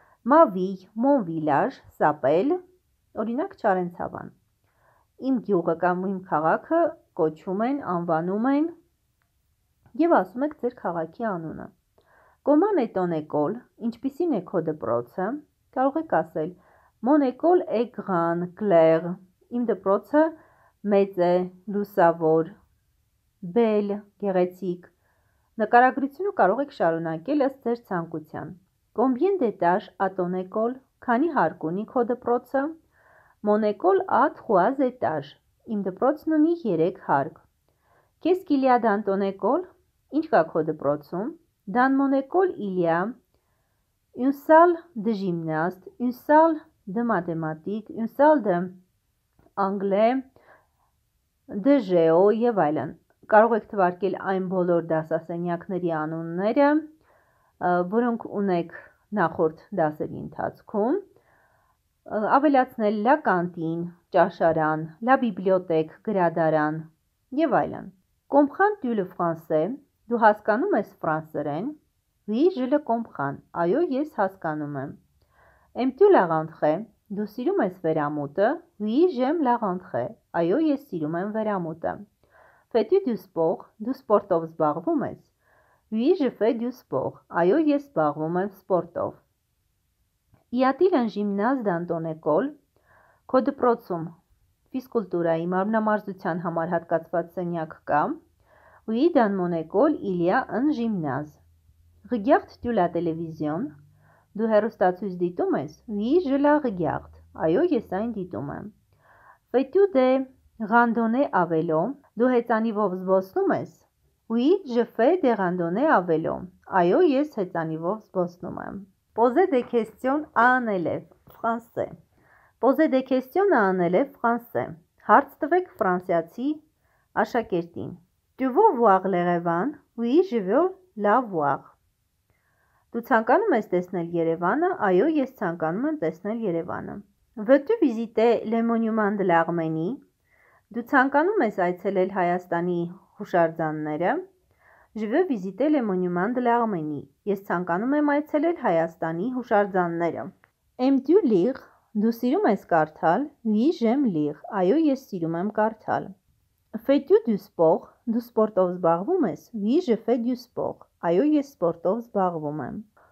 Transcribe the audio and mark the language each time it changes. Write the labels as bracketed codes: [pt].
[fr] Մավի, մոն վիլաժ, սապել, [hy] օրինակ Չարենցավան. Իմ գյուղը կամ իմ քաղաքը կոչում են, անվանում են եւ ասում եք ձեր քաղաքի անունը. [fr] Կոման էտոն էկոլ, [hy] ինչպիսին է քո դպրոցը, կարող եք ասել. [fr] Mon école est grande, claire. [hy] Իմ դպրոցը մեծ է, լուսավոր, բել, գեղեցիկ. Նկարագրությունը կարող եք շարունակել ըստ ձեր ցանկության. [fr] Combien d'étages a ton école? [hy] Քանի հարկ ունի քո դպրոցը? [fr] Mon école a trois étages. [hy] Իմ դպրոցն ունի 3 հարկ. [fr] Qu'est-ce qu'il y a dans ton école? [hy] Ինչ կա քո դպրոցում? [fr] Dans mon école il y a une salle de gymnaste, une salle de mathématiques, une salle de anglais, de géo [hy] եւ այլն։ Կարող եք թվարկել այն բոլոր դասասենյակների անունները, որոնք ունեք նախորդ դասերի ընթացքում, ավելացնել [fr] la cantine, ճաշարան, la bibliothèque, [hy] գրադարան եւ այլն։ [fr] Comprends tu le français? [hy] Դու հասկանում ես ֆրանսերեն? [fr] Oui, je le comprends. [hy] Այո, ես հասկանում եմ։ [fr] Aimes tu la rentrée? [hy] Դու սիրում ես վերամուտը? [fr] Oui, j'aime la rentrée. [hy] Այո, ես սիրում եմ վերամուտը. [fr] Fais-tu du sport? [hy] Դու սպորտով զբաղվում ես? [fr] Oui, je fais du sport. [hy] Այո, ես զբաղվում եմ սպորտով. [fr] Y a-t-il un gymnase dans ton école? [hy] Քո դպրոցում ֆիզկուլտուրայի մարմնամարզության համար հատկացված սենյակ կա? [fr] Oui, dans mon école, il y a un gymnase. Regardes-tu la télévision? [hy] Դու հեռուստացույց դիտում ես? [fr] Oui, je la regarde. [hy] Այո, ես այն դիտում եմ. [fr] Fais-tu des randonnées à vélo? [hy] Դու հեծանիվով զբոսնում ես? [fr] Oui, je fais des randonnées à vélo. [hy] Այո, ես հեծանիվով զբոսնում եմ. [fr] Posez des questions à un élève français. Posez des questions à un élève français. [hy] Հարց տվեք ֆրանսիացի աշակերտին. [fr] Tu veux voir l'Erevan? Oui, je veux la voir. [hy] Դու ցանկանում ես տեսնել Երևանը? Այո, ես ցանկանում եմ տեսնել Երևանը. [fr] Veux-tu visiter le monument de l'Arménie? [hy] Դու ցանկանում ես այցելել Հայաստանի հուշարձանները? [fr] Je veux visiter le monument de l'Arménie. [hy] Ես ցանկանում եմ այցելել Հայաստանի հուշարձանները. [fr] Aimes tu lire? [hy] Դու սիրում ես կարդալ? [fr] Oui, j'aime lire. [hy] Այո, ես սիրում եմ կարդալ. [fr] Fais-tu du sport? [hy] Դու սպորտով զբաղվում ես? [fr] Oui, je fais du sport. [hy] Այո, ես սպորտով զբաղվում եմ.